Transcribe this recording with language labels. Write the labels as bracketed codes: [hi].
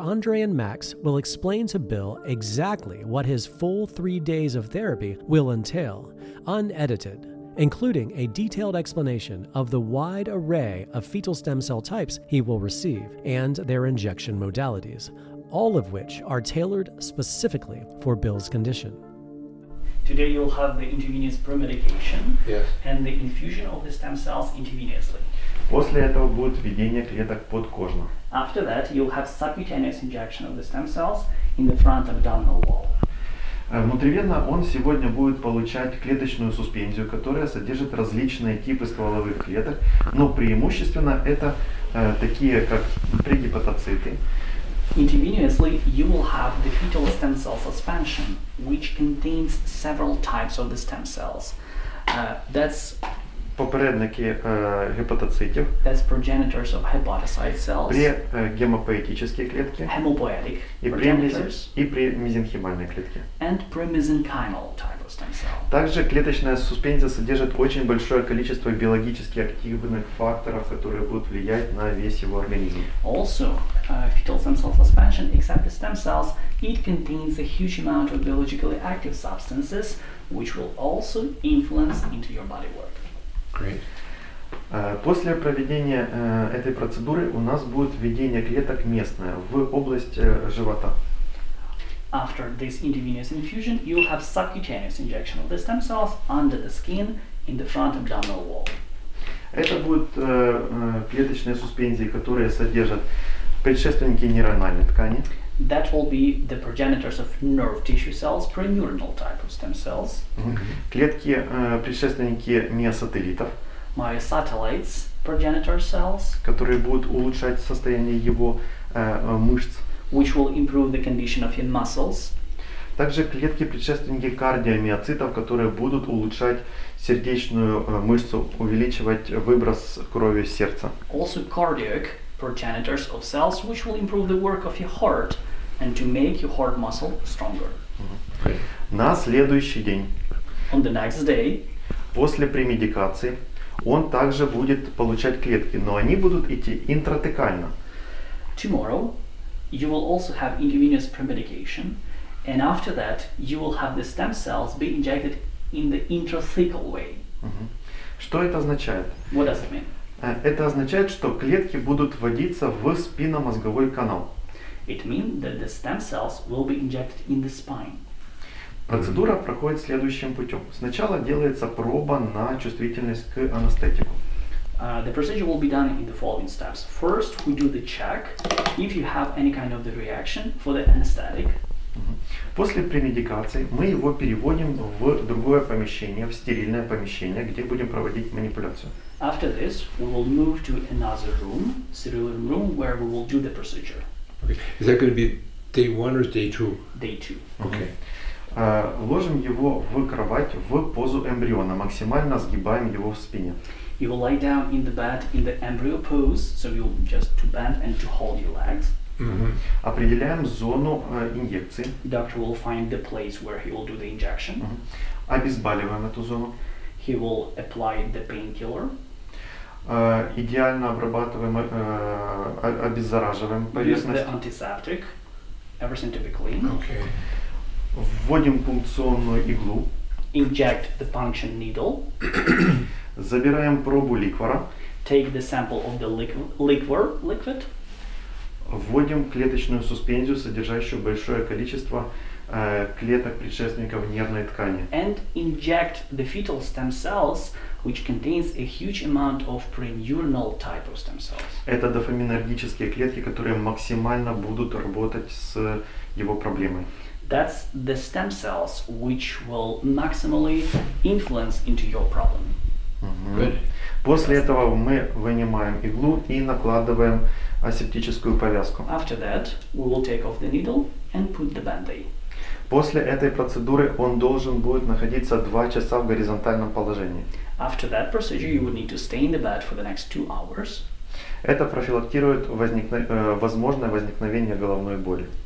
[en] Andre and Max will explain to Bill exactly what his full 3 days of therapy will entail, unedited, including a detailed explanation of the wide array of fetal stem cell types he will receive and their injection modalities, all of which are tailored specifically for Bill's condition. Today you'll have the intravenous pre-medication, yes, and the infusion of the stem cells intravenously. [ru] После этого будет введение клеток подкожно. [en] After that, you'll have subcutaneous injection of the stem cells in the front abdominal wall. [ru] Внутривенно он сегодня будет получать клеточную суспензию, которая содержит различные типы стволовых клеток, но преимущественно это такие как прегепатоциты. [en] Intravenously, you will have the fetal stem cell suspension, which contains several types of the stem cells. That's [uk] попередники гепатоцитів. [en] That's progenitors of hepatocyte cells. [ru] При гемопоэтические клетки. [en] Hemopoietic. [ru] И при мезенхимальной клетке. [en] And premesenchymal type of stem cell. [ru] Также клеточная суспензия содержит очень большое количество биологически активных факторов, которые будут влиять на весь его организм. [en] Also, fetal stem cell suspension, except the stem cells, it contains a huge amount of biologically active substances, which will also influence into your body work. [ru] После проведения этой процедуры у нас будет введение клеток местное в область живота. [en] After this intravenous infusion, you will have subcutaneous injection of the stem cells under the skin in the front abdominal wall. [ru] Это будут клеточные суспензии, которые содержат предшественники нейрональной ткани. [en] That will be the progenitors of nerve tissue cells, preneuronal type of stem cells. [ru] Клетки предшественники миосателлитов. [en] Myosatellites, progenitor cells. [ru] Которые будут улучшать состояние его мышц. [en] Which will improve the condition of his muscles. [ru] Также клетки предшественники кардиомиоцитов, которые будут улучшать сердечную мышцу, увеличивать выброс крови из сердца. [en] Also cardiac progenitors of cells, which will improve the work of your heart and to make your heart muscle stronger. [ru] На следующий день, [en] on the next day, [ru] после премедикации, он также будет получать клетки, но они будут идти интратекально. [en] Tomorrow, you will also have intravenous premedication, and after that, you will have the stem cells be injected in the intrathecal way. [ru] Что это означает? [en] What does it mean? [ru] Это означает, что клетки будут вводиться в спинномозговой канал. [en] It means that the stem cells will be injected in the spine. [ru] Процедура проходит следующим путем. Сначала делается проба на чувствительность к анестетику. [en] The procedure will be done in the following steps. First, we do the check if you have any kind of the reaction for the anesthetic. [ru] После премедикации мы его переводим в другое помещение, в стерильное помещение, где будем проводить манипуляцию. [en] After this, we will move to another room, sterile room, where we will do the procedure. Okay. Is that going to be day one or day two? Day two. Okay. [ru] Ложим его в кровать в позу эмбриона, максимально сгибаем его в спине. [en] You will lie down in the bed in the embryo pose, so you just to bend and to hold your legs. [ru] Определяем зону инъекции. [en] Doctor will find the place where he will do the injection. [ru] Обезболиваем эту зону. [en] He will apply the painkiller. [ru] Идеально обрабатываем, обеззараживаем поверхность. [en] Use the antiseptic, everything to be clean. Okay. [ru] Вводим пункционную иглу. [en] Inject the puncture needle. [ru] Забираем пробу ликвора. [en] Take the sample of the liquid. [ru] Вводим клеточную суспензию, содержащую большое количество клеток предшественников нервной ткани. [en] And inject the fetal stem cells, which contains a huge amount of preneuronal type of stem cells. [ru] Это дофаминергические клетки, которые максимально будут работать с его проблемой. [en] That's the stem cells, which will maximally influence into your problem. [ru] После этого мы вынимаем иглу и накладываем асептическую повязку. [en] After that, we will take off the needle and put the band-aid. [ru] После этой процедуры он должен будет находиться 2 часа в горизонтальном положении. [en] After that procedure, you would need to stay in the bed for the next 2 hours. [ru] Это профилактирует возможное возникновение головной боли.